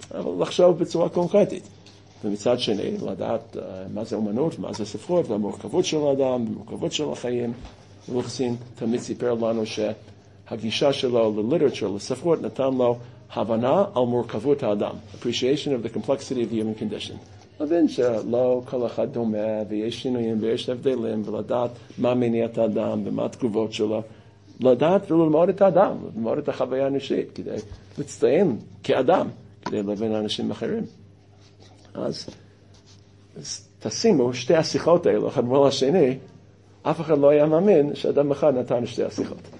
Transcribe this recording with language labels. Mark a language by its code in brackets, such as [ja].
[he] אבל לחשוב בצורה קונקרטית. ומצד שני, לדעת מה זה אומנות, מה זה ספרות, והמורכבות של האדם, המורכבות של החיים. ולחסין תמיד סיפר לנו שהגישה שלו לליטרטור, לספרות, נתן לו הבנה על מורכבות האדם. [en] Appreciation of the complexity of the human condition. [he] להבין שלא כל אחד דומה, ויש שינויים, ויש הבדלים, ולדעת מה מניע את האדם, ומה התגובות שלו. לדעת וללמוד את האדם, ללמוד את החוויה האנושית, כדי להצטיין כאדם, כדי להבין אנשים אחרים. אז תשימו שתי השיחות האלו, אחד מול השני, אף אחד לא היה מאמין שאדם אחד נתן שתי השיחות.